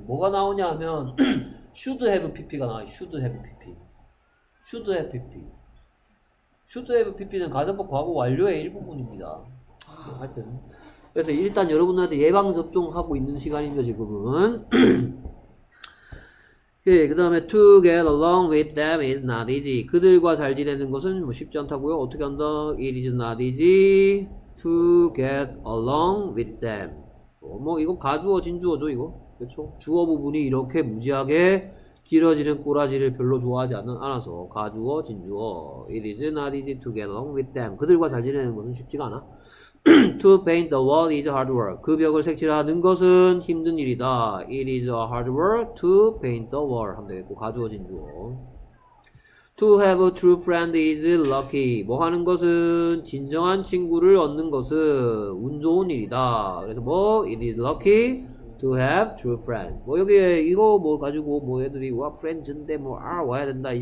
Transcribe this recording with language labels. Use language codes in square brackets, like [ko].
[ko] 뭐가 나오냐면 should have PP가 나와요. Should have PP. Should have PP. Should have PP는 가정법 과거 완료의 일부분입니다. 하여튼. 그래서 일단 여러분들한테 예방접종하고 있는 시간입니다, 지금은. 예, 그 다음에 [en] to get along with them is not easy. [ko] 그들과 잘 지내는 것은 뭐 쉽지 않다고요. 어떻게 한다? [en] It is not easy to get along with them. [ko] 뭐 이거 가주어 진주어죠, 이거. 그렇죠? 주어 부분이 이렇게 무지하게 길어지는 꼬라지를 별로 좋아하지 않아서 가주어 진주어. [en] It is not easy to get along with them. [ko] 그들과 잘 지내는 것은 쉽지가 않아. [en] To paint the wall is hard work. [ko] 그 벽을 색칠하는 것은 힘든 일이다. [en] It is a hard work to paint the wall. [ko] 하면 되겠고, 가주어 진주어. [en] To have a true friend is lucky. [ko] 뭐 하는 것은 진정한 친구를 얻는 것은 운 좋은 일이다. 그래서 뭐, [en] it is lucky to have true friends. [ko] 뭐 여기에 이거 뭐 가지고 뭐 애들이 와, friends인데 뭐, 아, 와야 된다.